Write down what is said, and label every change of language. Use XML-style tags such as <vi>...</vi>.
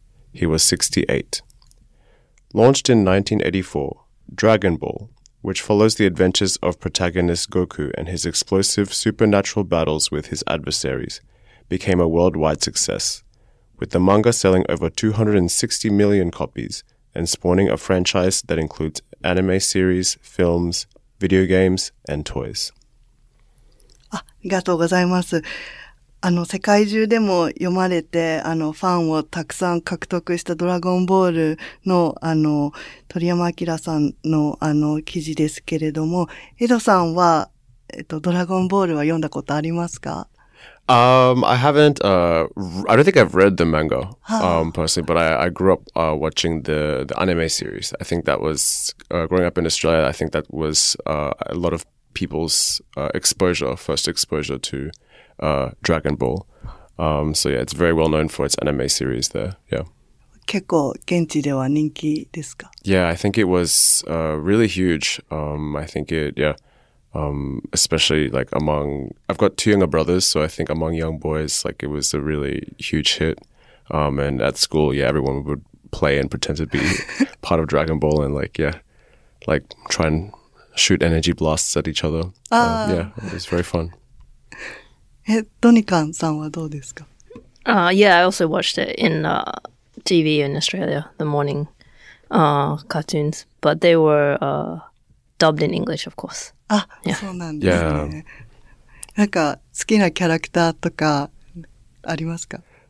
<en>He was 68. Launched in 1984, Dragon Ball, which follows the adventures of protagonist Goku and his explosive supernatural battles with his adversaries, became a worldwide success, with the manga selling over 260 million copies and spawning a franchise that includes anime series, films, video games, and toys.</en> <ja>ありがとうございます。世界中でも読まれて、ファンをたくさん獲得したドラゴンボールの、鳥山明さんの、記事ですけれども、江戸さんは、ドラゴンボールは読んだことありますか？</ja> <en>I haven't, I don't think I've read the manga, personally, but I grew up, watching the anime series. I think that was, growing up in Australia, I think that was, a lot ofpeople's、exposure, first exposure to、Dragon Ball.、so yeah, it's very well known for its anime series there. Yeah.</en> <ja>結構現地では人気ですか?</ja> <en>Yeah, I think it was、really huge.、I think it, yeah,、especially like among, I've got two younger brothers, so I think among young boys, like it was a really huge hit.、and at school, yeah, everyone would play and pretend to be part of Dragon Ball and like, yeah, like try andshoot energy blasts at each other. Yeah, it was very fun. Donikan-san, how about you? Yeah, I also watched it in TV in Australia, the morning cartoons, but they were dubbed in English, of course.</en> <ja>Ah, so なんですね。なんか好きなキャラクターとかありますか?</ja>